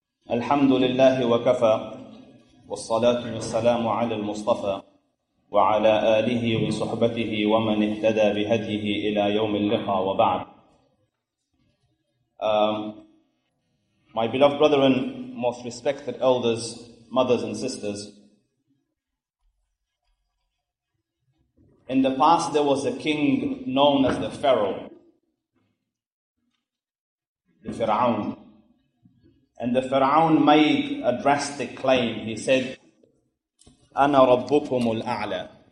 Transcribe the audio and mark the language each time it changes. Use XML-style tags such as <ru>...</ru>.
<ar>الحمد لله وكفى والصلاة والسلام على المصطفى وعلى آله وصحبه ومن اهتدى بهديه إلى يوم اللقاء وبعد.</ar> <en>My beloved brethren, most respected elders, mothers and sisters, in the past there was a king known as the Pharaoh, the Fir'aun. And the Fir'aun made a drastic claim. He said,</en> <ar>أَنَا رَبُّكُمُ الْأَعْلَى.</ar>